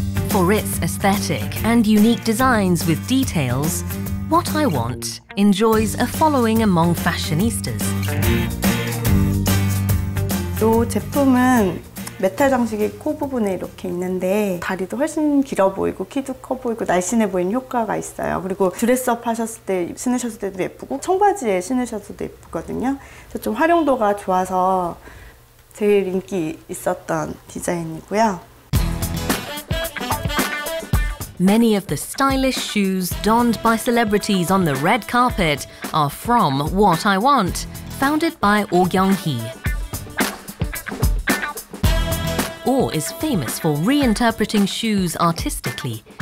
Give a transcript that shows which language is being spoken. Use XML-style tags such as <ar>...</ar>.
<en>For its aesthetic and unique designs with details, What I Want enjoys a following among fashionistas.</en> <ko>이 제품은 메탈 장식이 코 부분에 이렇게 있는데 다리도 훨씬 길어 보이고 키도 커 보이고 날씬해 보이는 효과가 있어요. 그리고 드레스업 하셨을 때 신으셔도 때도 예쁘고 청바지에 신으셔도 예쁘거든요. 그래서 좀 활용도가 좋아서 제일 인기 있었던 디자인이고요.</ko> <en>Many of the stylish shoes donned by celebrities on the red carpet are from What I Want, founded by Oh Young-hee. Oh is famous for reinterpreting shoes artistically,</en>